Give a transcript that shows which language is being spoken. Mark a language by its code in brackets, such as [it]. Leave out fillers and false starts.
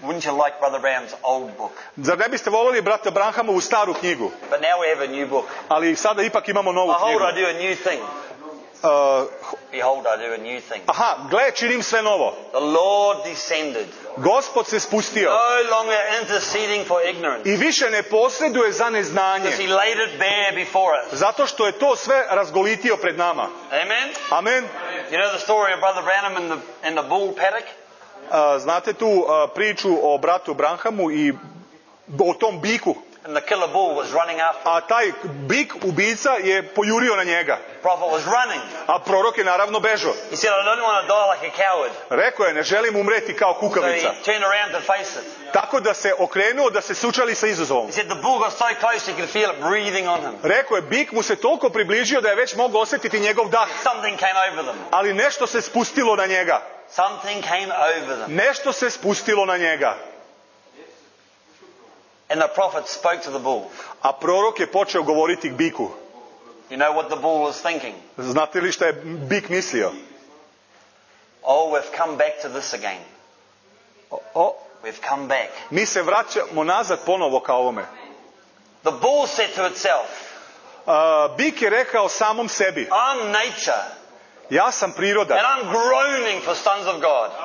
[en] Wouldn't you like Brother Branham's old book? [sr] Zar ne biste volili brata Branhamovu staru knjigu? [en] But now we have a new book. [sr] Ali sada ipak imamo novu knjigu. [en] Behold, I do a new thing. Behold, I do a new thing. [sr] Aha, gle, činim sve novo. [en] The Lord descended. [sr] Gospod se spustio. [en] No longer interceding for ignorance. [sr] I više ne posreduje za neznanje. [en] Because he laid it bare before us. [sr] Zato što je to sve razgolitio pred nama. [en] Amen. [sr] Amen. [en] You know the story of Brother Branham in the bull paddock? [sr] Znate tu priču o bratu Branhamu i o tom biku? [en] And the killer bull was running after. [sr] A taj bik ubica je pojurio na njega. [en] Prophet was running. [sr] A prorok je naravno bežao. [en] He said, I don't want to die like a coward. [sr] Rekao je, ne želim umreti kao kukavica. [en] So he turned around to face it. [sr] Tako da se okrenuo da se sučali sa izazovom. [en] He said, the bull got so close he could feel it breathing on him. [sr] Rekao je, bik mu se toliko približio da je već mogao osjetiti njegov dah. [en] Something came over them. [sr] Ali nešto se spustilo na njega. [en] Something came over them. [sr] Nešto se spustilo na njega. [en] And the prophet spoke to the bull. [sr] A prorok je počeo govoriti k biku. [en] You know what the bull was thinking? [sr] Znate li šta je bik mislio? [en] Oh, we've come back to this again. Oh, we've come back. [sr] Mi se vraćamo nazad ponovo ka ovome. [en] The bull said to itself. [sr] Bik je rekao samom sebi. [en] I'm nature. [sr] Ja sam priroda. [en] And I'm groaning for sons of God.